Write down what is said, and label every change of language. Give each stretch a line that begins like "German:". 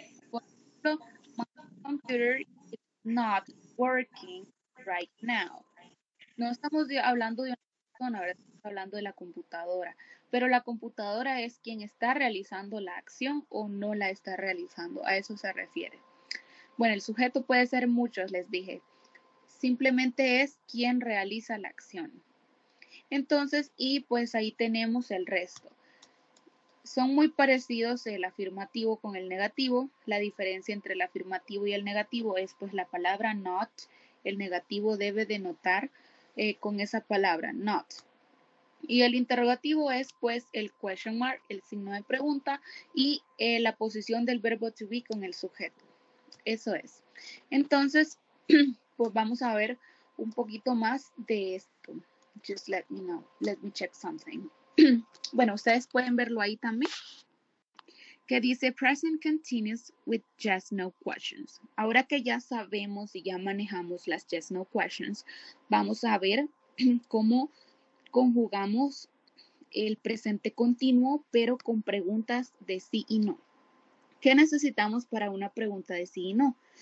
Spanish: Por ejemplo,
English: my computer is not working right now.
Spanish: No estamos hablando de una persona, ahora estamos hablando de la computadora. Pero la computadora es quien está realizando la acción o no la está realizando. A eso se refiere. Bueno, el sujeto puede ser muchos, les dije. Simplemente es quien realiza la acción. Entonces, y pues ahí tenemos el resto. Son muy parecidos el afirmativo con el negativo. La diferencia entre el afirmativo y el negativo es pues la palabra not. El negativo debe denotar con esa palabra not. Y el interrogativo es pues el question mark, el signo de pregunta, y la posición del verbo to be con el sujeto. Eso es. Entonces, pues vamos a ver un poquito más de esto.
English: Just let me know. Let me check something.
Spanish: Bueno, ustedes pueden verlo ahí también. Que dice present continuous with just no questions. Ahora que ya sabemos y ya manejamos las just no questions, vamos a ver cómo conjugamos el presente continuo, pero con preguntas de sí y no. ¿Qué necesitamos para una pregunta de sí y no?